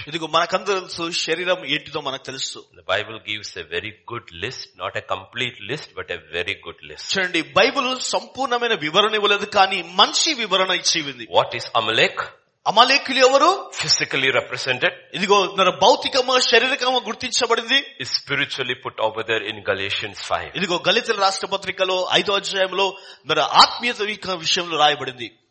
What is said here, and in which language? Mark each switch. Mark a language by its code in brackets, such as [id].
[te] ఇదిగో మనకందరూ శరీరం ఏంటిదో మనకు తెలుసు. [en] The Bible gives a very good list, not a complete list, but a very good list. [te] చూడండి, బైబిల్ సంపూర్ణమైన వివరణ ఇవ్వలేదు కానీ మంచి వివరణ ఇచ్చింది. [en] What is Amalek? [te] అమలేకులు ఎవరు? [en] Physically represented. [te] ఇదిగో భౌతికమో శారీరకమో గుర్తించబడింది. [en] Spiritually put over there in Galatians 5. [te] ఇదిగో గలతీయుల రాష్ట్ర పత్రికలో 5వ అధ్యాయంలో మరి ఆత్మీయత విషయంలో రాయబడింది.